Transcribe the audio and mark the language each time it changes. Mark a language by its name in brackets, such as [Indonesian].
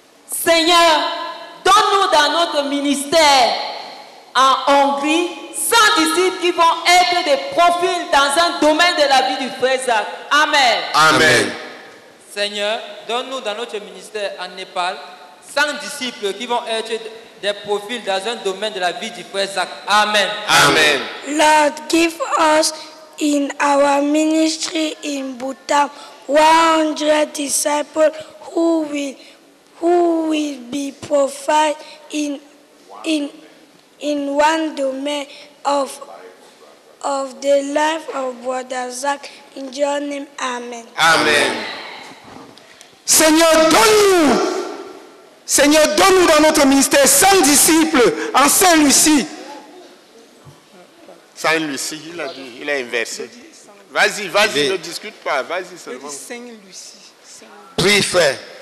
[French] Seigneur, donne-nous dans notre ministère en Hongrie 100 disciples qui vont être des profils dans un domaine de la vie du frère Zach. Amen. Amen. Seigneur, donne-nous dans notre ministère en Népal 100 disciples qui vont être des profils dans un domaine de la vie du frère Zach. Amen. Amen. [English] Lord, give us in our ministry in Bhutan 100 disciples who will be profiled in one domain of the life of Brother Zach. In your name, amen. Amen. [French] Seigneur, donne-nous. Seigneur, donne-nous dans notre ministère 100 disciples en Saint-Lucie. Saint-Lucie, il a dit, il a inversé. Vas-y, vas-y, ne discute pas. Vas-y seulement. Saint-Lucie. Prie, frère.